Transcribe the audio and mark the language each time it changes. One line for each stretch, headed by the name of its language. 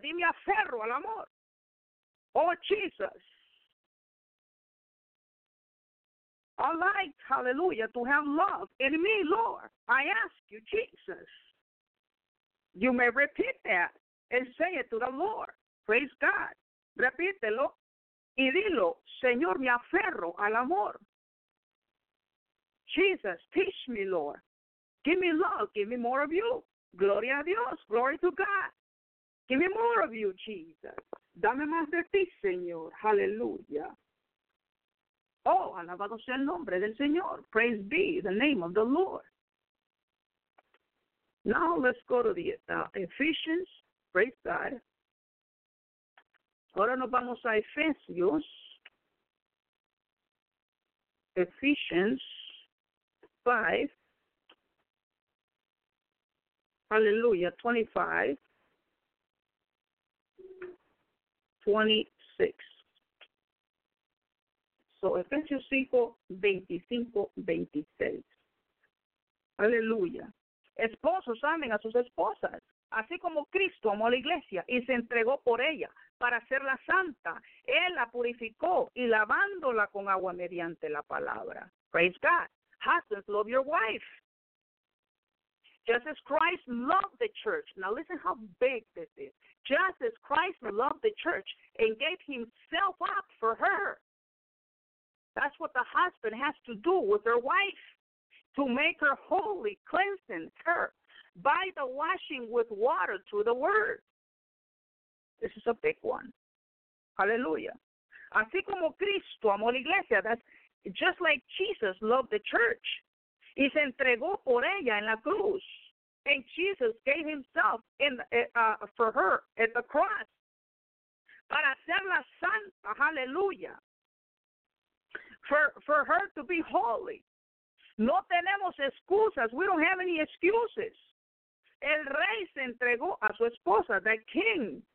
Spanish: Dime aferro al amor. Oh, Jesus.
English: I like, hallelujah, to have love in me, Lord. I ask you, Jesus. You may repeat that and say it to the Lord. Praise God.
Spanish: Repítelo y dilo, Señor, me aferro al amor.
English: Jesus, teach me, Lord. Give me love. Give me more of you.
Spanish: Gloria a Dios.
English: Glory to God. Give me more of you, Jesus.
Spanish: Dame más de ti, Señor. Hallelujah. Oh, alabado sea el nombre del Señor.
English: Praise be the name of the Lord. Now let's go to the Ephesians. Praise God.
Spanish: Ahora nos vamos a Efesios, Ephesians 5, aleluya, 25, 26. So, Efesios 5, 25, 26. Aleluya. Esposos, amen a sus esposas, así como Cristo amó a la iglesia y se entregó por ella. Para hacerla santa, Él la purificó y lavándola con agua mediante la palabra.
English: Praise God. Husbands, love your wife. Just as Christ loved the church. Now listen how big this is. Just as Christ loved the church and gave himself up for her. That's what the husband has to do with her wife. To make her holy, cleansing her by the washing with water through the word. This is a big one. Hallelujah.
Spanish: Así como Cristo amó la iglesia,
English: that's just like Jesus loved the church.
Spanish: Y se entregó por ella en la cruz.
English: And Jesus gave himself for her at the cross.
Spanish: Para hacerla santa. Hallelujah.
English: For her to be holy.
Spanish: No tenemos excusas.
English: We don't have any excuses.
Spanish: El rey se entregó a su esposa,
English: the king.